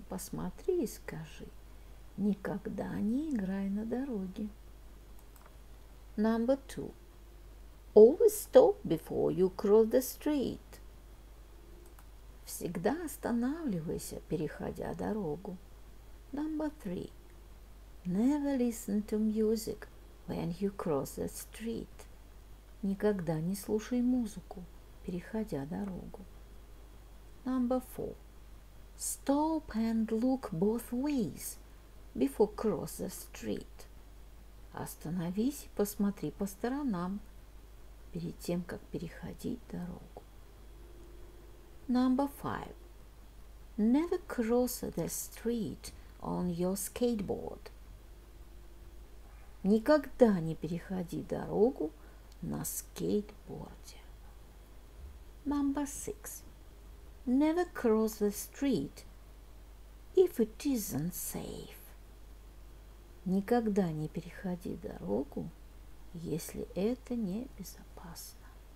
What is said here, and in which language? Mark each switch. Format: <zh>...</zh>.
<ru>Посмотри и скажи. Никогда не играй на дороге.</ru> <en>Number 2. Always stop before you cross the street.</en> <ru>Всегда останавливайся, переходя дорогу.</ru> <en>Number 3. Never listen to music when you cross the street.</en> <ru>Никогда не слушай музыку, переходя дорогу.</ru> <en>Number 4. Stop and look both ways before cross the street.</en> <ru>Остановись и посмотри по сторонам перед тем, как переходить дорогу.</ru> <en>Number 5. Never cross the street on your skateboard.</en> <ru>Никогда не переходи дорогу на скейтборде.</ru> <en>Number 6. Never cross the street if it isn't safe.</en> <ru>Никогда не переходи дорогу, если это не безопасно.</ru>